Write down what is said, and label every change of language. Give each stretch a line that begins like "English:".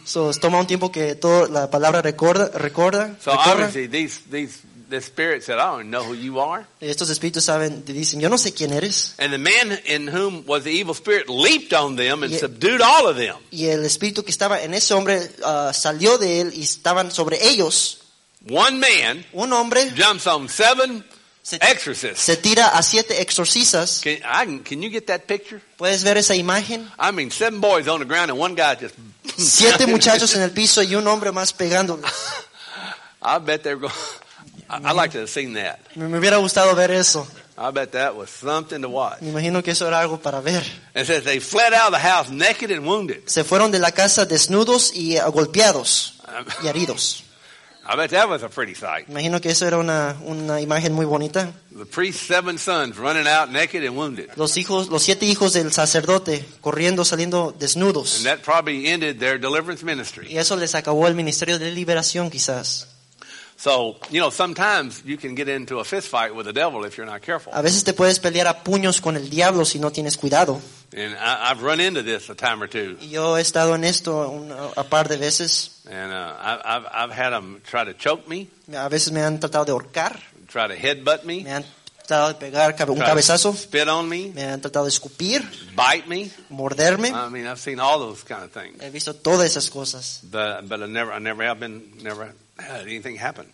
Spanish: So toma un tiempo que todo la palabra recuerda.
English: So obviously this spirit said, "I don't know who you are."
Spanish: Estos espíritus saben, dicen, yo no sé quién eres.
English: And the man in whom was the evil spirit leaped on them and subdued all of them.
Spanish: Y el espíritu que estaba en ese hombre salió de él y estaban sobre ellos.
English: One man,
Spanish: un hombre,
English: jumps on seven exorcists.
Spanish: Se tira a siete exorcistas.
English: Can you get that picture?
Spanish: ¿Puedes ver esa imagen?
English: I mean, seven boys on the ground and one guy just
Spanish: siete muchachos en el piso y un hombre más pegándolos.
English: I bet they're going. I'd like to have seen that.
Spanish: Me hubiera gustado ver eso.
English: I bet that was something to watch.
Spanish: Me imagino que eso era algo para ver.
English: It says they fled out of the house naked and wounded.
Spanish: Se fueron de la casa desnudos y golpeados y heridos.
English: I bet that was a pretty sight.
Spanish: Imagino que eso era una imagen muy bonita.
English: The priest's seven sons running out naked and wounded.
Spanish: Los siete hijos del sacerdote corriendo, saliendo desnudos.
English: And that probably ended their deliverance ministry.
Spanish: Y eso les acabó el ministerio de liberación, quizás.
English: So, you know, sometimes you can get into a fist fight with the devil if you're not careful.
Spanish: A veces te puedes pelear a puños con el diablo si no tienes cuidado.
English: And I've run into this a time or two.
Spanish: Yo he estado en esto a par de veces.
English: And I've had them try to choke me.
Spanish: A veces me han tratado de ahorcar.
English: Try to headbutt me.
Spanish: Me han tratado de pegar un cabezazo.
English: Spit on me.
Spanish: Me han tratado de escupir.
English: Bite me.
Spanish: Morderme.
English: I mean, I've seen all those kind of things.
Spanish: He visto todas esas cosas.
English: But I never have been, never had anything happen.